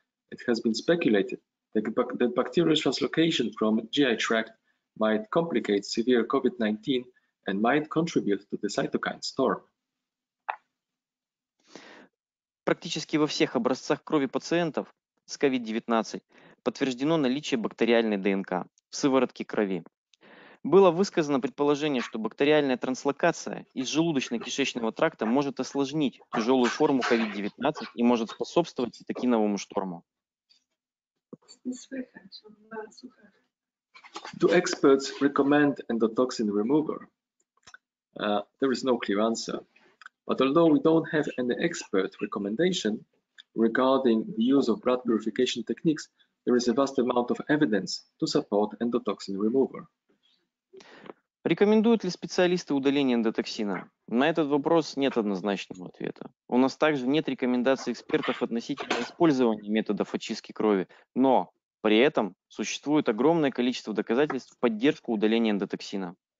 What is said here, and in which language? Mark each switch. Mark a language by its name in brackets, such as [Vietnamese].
[English] It has been speculated that bacterial translocation from GI tract might complicate severe COVID-19 and might contribute to the cytokine storm. [Russian] Практически во всех образцах крови пациентов с COVID-19 подтверждено наличие бактериальной ДНК в сыворотке крови. Было высказано предположение, что бактериальная транслокация из желудочно-кишечного тракта может осложнить тяжелую форму COVID-19 и может способствовать цитокиновому шторму. [English] Do experts recommend endotoxin removal? There is no clear answer. But although we don't have any expert recommendation regarding the use of blood purification techniques, there is a vast amount of evidence to support endotoxin removal. [Russian] Рекомендуют ли специалисты удаление эндотоксина? На этот вопрос нет однозначного ответа. У нас также нет рекомендаций экспертов относительно использования методов очистки крови, но при этом существует огромное количество доказательств в поддержку удаления эндотоксина.